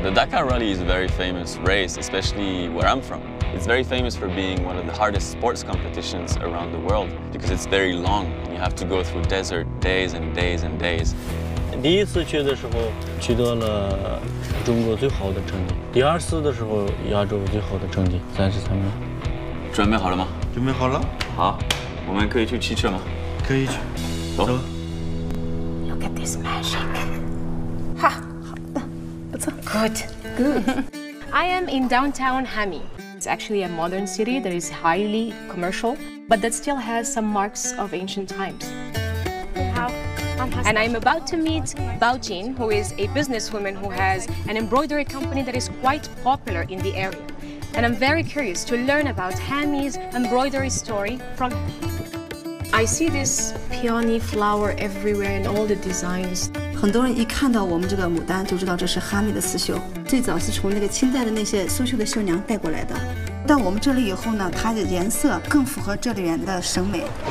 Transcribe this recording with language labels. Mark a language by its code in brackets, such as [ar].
[en] the Dakar Rally is a very famous race, especially where I'm from. It's very famous for being one of the hardest sports competitions around the world because it's very long. You have to go through desert days and days and days. [zh] 第一次去的时候取得了中国最好的成绩，第二次的时候亚洲最好的成绩，33名。准备好了吗？准备好了。好，我们可以去骑车吗？可以去。走。 [en] Look at this magic. [zh] 哈，好的，不错。 [en] Good. I am in downtown Hami. It's actually a modern city that is highly commercial, but that still has some marks of ancient times. And I'm about to meet Bao Jin, who is a businesswoman who has an embroidery company that is quite popular in the area. And I'm very curious to learn about Hami's embroidery story from her. I see this peony flower everywhere in all the designs. [zh] 很多人一看到我们这个牡丹就知道这是哈密的刺绣，最早是从那个清代的那些苏绣的绣娘带过来的。到我们这里以后呢，它的颜色更符合这里人的审美。